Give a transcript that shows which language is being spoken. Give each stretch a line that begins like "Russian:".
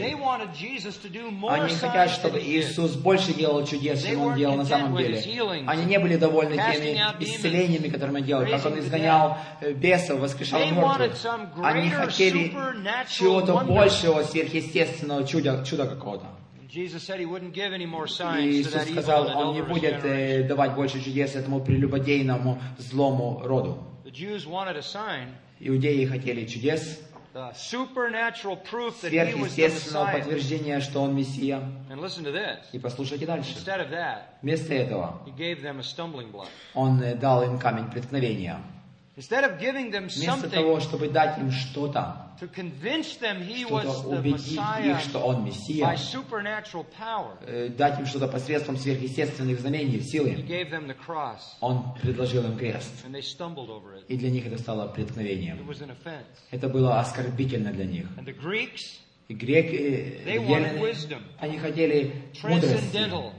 English: They wanted Jesus to do more.
Russian: Они хотят, чтобы Иисус больше делал чудес, чем он делал на самом деле. Они не были довольны теми исцелениями, которые он делал, как он изгонял бесов, воскрешал мертвых. Они хотели чего-то большего, сверхъестественного чуда какого-то.
English: Jesus said he wouldn't give any more signs to that evil and adulterous generation.
Russian: Давать больше чудес этому прелюбодейному злому роду.
English: The Jews wanted a sign.
Russian: Иудеи хотели чудес.
English: The supernatural proof that he was the Messiah.
Russian: Сверхъестественного подтверждения, что он мессия.
English: And listen to this.
Russian: И послушайте дальше.
English: Instead of that,
Russian: вместо этого,
English: he gave them a stumbling block.
Russian: Он дал им камень преткновения.
English: Instead of giving them something,
Russian: вместо того, чтобы дать им что-то.
English: To convince them he was the Messiah by supernatural power.
Russian: Дать им что-то посредством сверхъестественных знамений, силы.
English: He gave them the cross.
Russian: Он предложил им крест.
English: And they stumbled over it.
Russian: И для них это стало преткновением.
English: It was an offense.
Russian: Это было оскорбительно для них.
English: And the Greeks.
Russian: И греки.
English: They wanted wisdom.
Russian: Они хотели мудрости.